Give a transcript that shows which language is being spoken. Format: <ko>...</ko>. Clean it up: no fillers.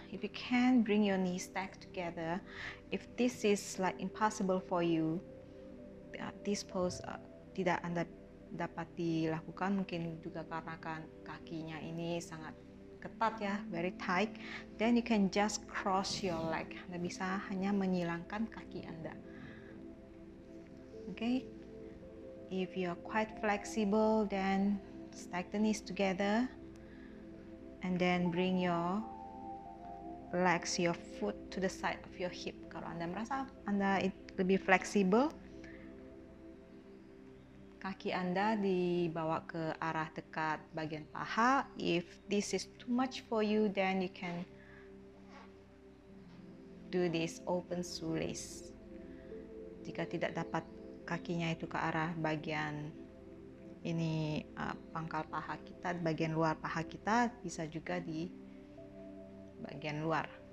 <en>If you can bring your knees stack together, if this is like impossible for you, this pose</en> <id>tidak Anda dapat dilakukan mungkin juga karena kan kakinya ini sangat ketat ya,</id> <en>very tight. Then you can just cross your leg.</en> <id>Anda bisa hanya menyilangkan kaki Anda.</id> <en>Okay. If you are quite flexible, then stack the knees together and then bring your legs, your foot to the side of your hip.</en> <id>Kalau Anda merasa Anda lebih flexible, kaki Anda dibawa ke arah dekat bagian paha.</id> <en>If this is too much for you, then you can do this open sulis.</en> <id>Jika tidak dapat kakinya itu ke arah bagian ini pangkal paha kita, bagian luar paha kita, bisa juga di bagian luar.</id>